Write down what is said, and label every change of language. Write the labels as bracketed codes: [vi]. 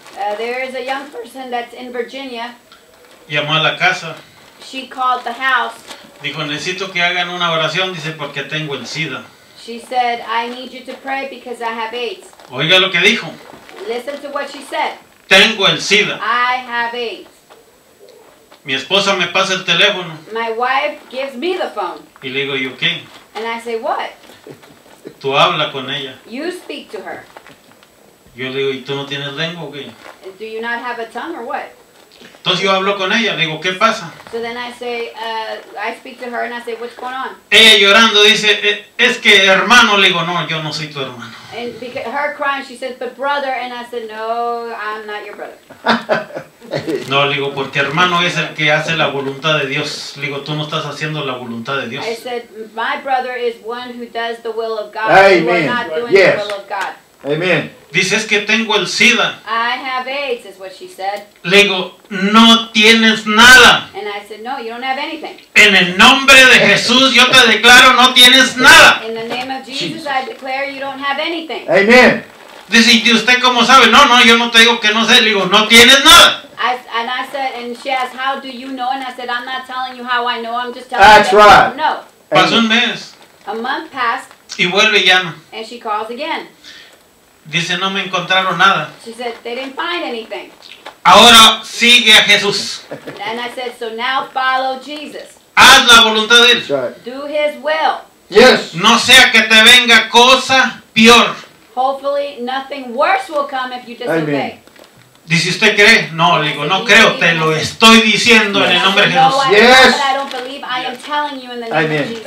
[en] There is a young person that's in Virginia. [es] Llamó a la casa. [en] She called the house. [es] Dijo, necesito que hagan una oración, dice, porque tengo el SIDA. [en] She said, I need you to pray because I have AIDS. [es] Oiga lo que dijo. [en] Listen to what she said. [es] Tengo el SIDA. [en] I have AIDS. [es] Mi esposa me pasa el teléfono. [en] My wife gives me the phone. [es] Y le digo, ¿y qué? [en] And I say, what? [es] Tú habla con ella. [en] You speak to her. [es] Yo le digo, ¿y tú no tienes lengua o qué? [en] Do you not have a tongue or what? [es] Entonces yo hablo con ella, le digo, ¿qué pasa? [en] So then I say, I speak to her and I say, what's going on? [es] Ella llorando dice, es que hermano, le digo, no, yo no soy tu hermano. [en] And because her crying, she says, but brother, and I said, no, I'm not your brother. [es] No, le digo, porque hermano es el que hace la voluntad de Dios. Le digo, tú no estás haciendo la voluntad de Dios. [en] I said, my brother is one who does the will of God. Amen. You are not doing yes. The will of God. Amen. [es] Dice, es que tengo el SIDA. [en] I have AIDS, is what she said. [es] Le digo, no tienes nada. [en] And I said, no, you don't have anything. [es] En el nombre de Jesús, yo te declaro, no tienes nada. [en] In the name of Jesus, I declare you don't have anything. Amen. [es] Dice, ¿y usted cómo sabe? No, no, yo no te digo que no sé. Le digo, no tienes nada. [en] And I said, and she asked, how do you know? And I said, I'm not telling you how I know. I'm just telling that's you that I don't know. [es] Pasó un mes. [en] A month passed. [es] Y vuelve y llama. [en] And she calls again. [es] Dice, no me encontraron nada. [en] She said, they didn't find anything. [es] Ahora sigue a Jesús. [en] And I said, so now follow Jesus. [es] Haz la voluntad de él. [en] That's right. Do his will. Yes. [es] No sea que te venga cosa peor. [en] Hopefully nothing worse will come if you disobey. Amen. [es] Dice, ¿usted cree? No, le digo, no creo, te lo estoy diciendo en el nombre de Jesús. [en] Yes. I don't believe, I am telling you in the name of Jesus.